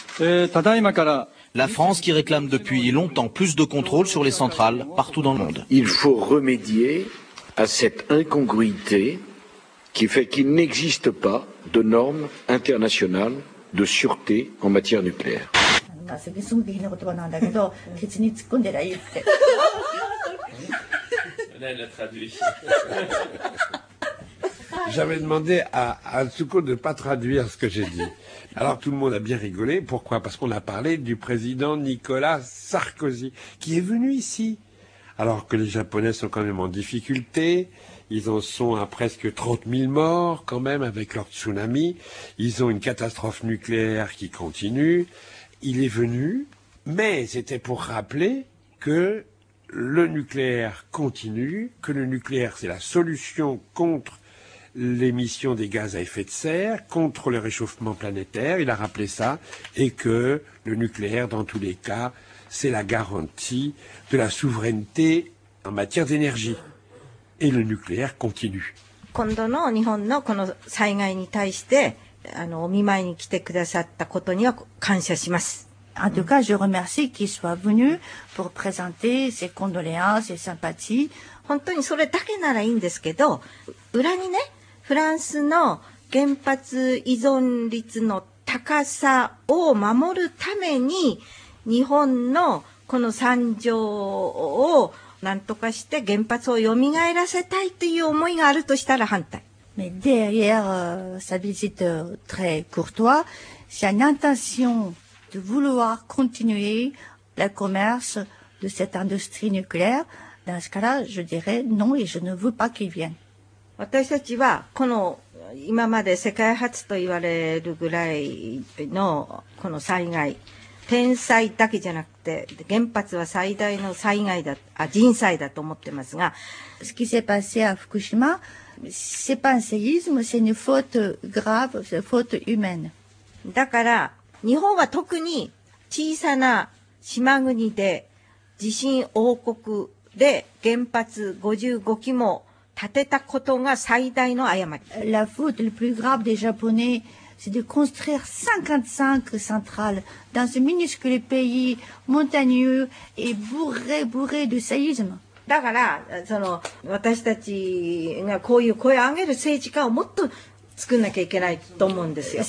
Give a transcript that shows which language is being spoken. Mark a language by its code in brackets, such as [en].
[fr] La France qui réclame depuis longtemps plus de contrôle sur les centrales partout dans le monde. Il faut remédier à cette incongruité qui fait qu'il n'existe pas de normes internationales de sûreté en matière nucléaire. [ja] まあ、すごく下品な言葉なんだけど、ケツに突っ込んでりゃいいって。 [fr] J'avais demandé à Tsuko de ne pas traduire ce que j'ai dit. Alors tout le monde a bien rigolé. Pourquoi ? Parce qu'on a parlé du président Nicolas Sarkozy, qui est venu ici. Alors que les Japonais sont quand même en difficulté. Ils en sont à presque 30 000 morts quand même avec leur tsunami. Ils ont une catastrophe nucléaire qui continue. Il est venu, mais c'était pour rappeler que le nucléaire continue, que le nucléaire c'est la solution contre l'émission des gaz à effet de serre, contre le réchauffement planétaire, il a rappelé ça, et que le nucléaire, dans tous les cas, c'est la garantie de la souveraineté en matière d'énergie. Et le nucléaire continue. [ja] 今度の日本のこの災害に対して、あのお見舞いに来てくださったことには感謝します。 [fr] En tout cas, je remercie qu'il soit venu pour présenter ses condoléances et sympathies. [ja] 本当にそれだけならいいんですけど、裏にね、フランスの原発依存率の高さを守るために、日本のこの惨状を何とかして原発を蘇らせたいという思いがあるとしたら反対。 [fr] Mais derrière sa visite très courtoise, c'est une intention de vouloir continuer le commerce de cette industrie nucléaire. Dans ce cas-là, je dirais non et je ne veux pas qu'il vienne. [ja] 私たちはこの今まで世界初と言われるぐらいのこの災害、天災だけじゃなくて原発は最大の災害だ、あ、人災だと思ってますが、 [fr] ce qui s'est passé à Fukushima, c'est pas un séisme, c'est une faute grave, c'est une faute humaine. [ja] だから日本は特に小さな島国で地震王国で原発55基も建てたことが最大の誤り。 [fr] La faute la plus grave des Japonais, c'est de construire 55 centrales dans ce minuscule pays montagneux et bourré de séisme. [ja] だから、その、私たちがこういう声を上げる政治家をもっと作んなきゃいけないと思うんですよ。